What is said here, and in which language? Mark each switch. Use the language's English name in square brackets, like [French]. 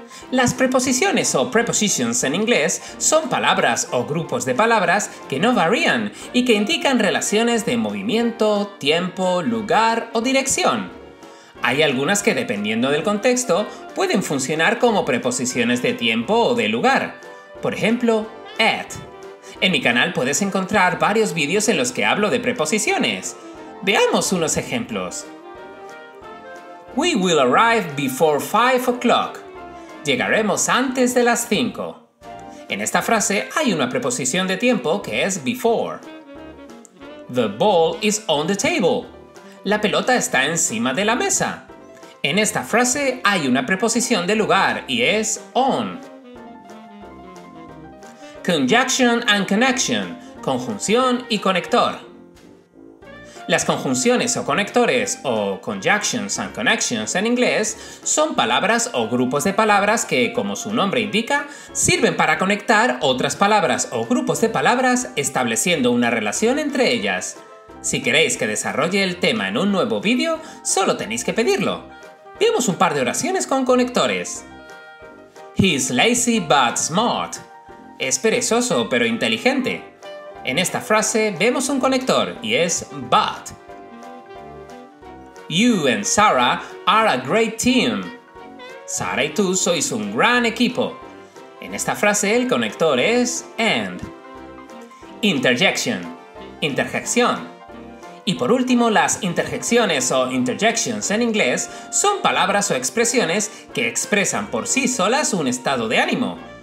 [Spanish] Las preposiciones o prepositions en inglés son palabras o grupos de palabras que no varían y que indican relaciones de movimiento, tiempo, lugar o dirección. Hay algunas que, dependiendo del contexto, pueden funcionar como preposiciones de tiempo o de lugar. Por ejemplo, at. En mi canal puedes encontrar varios vídeos en los que hablo de preposiciones. Veamos unos ejemplos. [English] We will arrive before 5 o'clock. [Spanish] Llegaremos antes de las 5. En esta frase hay una preposición de tiempo que es before. [English] The ball is on the table. [Spanish] La pelota está encima de la mesa. En esta frase hay una preposición de lugar y es on. [English] Conjunction and connection, [Spanish] conjunción y conector. Las conjunciones o conectores, o conjunctions and connections en inglés, son palabras o grupos de palabras que, como su nombre indica, sirven para conectar otras palabras o grupos de palabras estableciendo una relación entre ellas. Si queréis que desarrolle el tema en un nuevo vídeo, solo tenéis que pedirlo. Vemos un par de oraciones con conectores. [English] He's lazy but smart. [Spanish] Es perezoso pero inteligente. En esta frase vemos un conector y es but. You and Sarah are a great team. Sarah y tú sois un gran equipo. En esta frase el conector es and. Interjection. Interjección. Y por último, las interjecciones o interjections en inglés son palabras o expresiones que expresan por sí solas un estado de ánimo.